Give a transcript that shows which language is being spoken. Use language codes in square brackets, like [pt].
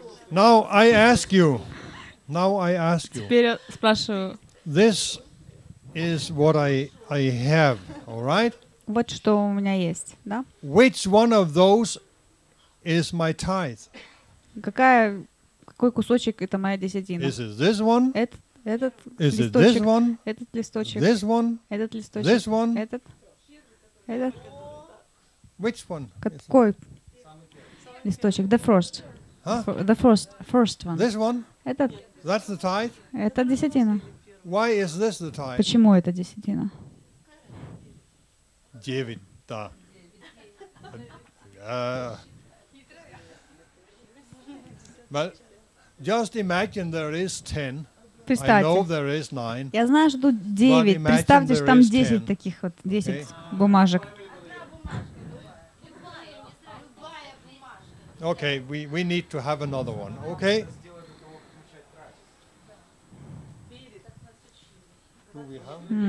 [en] Now I ask you. [ru] Теперь спрашиваю. [en] This is what I have, all right? [ru] Вот что у меня есть, да? [en] Which one of those is my tithe? [ru] Какой кусочек это моя десятина? [en] Is it this one? [ru] Этот [en] is [ru] листочек. [en] It this one? [ru] Этот листочек. [en] This one? [ru] Этот листочек. [en] This one? [ru] Этот. [en] Which one? [ru] Какой листочек? [en] The first. Huh? The first one. This one? [ru] Этот. [en] That's the tithe? [ru] Это десятина. [en] Why is this the tithe? [ru] Почему это десятина? Девять, да. [en] But just imagine there is 10. [ru] Представьте. [en] I know there is 9. [ru] Я знаю, что тут 9. Представьте, что там 10 таких вот, 10 okay. бумажек. [en] Okay, we need to have another one. Okay. Do we have?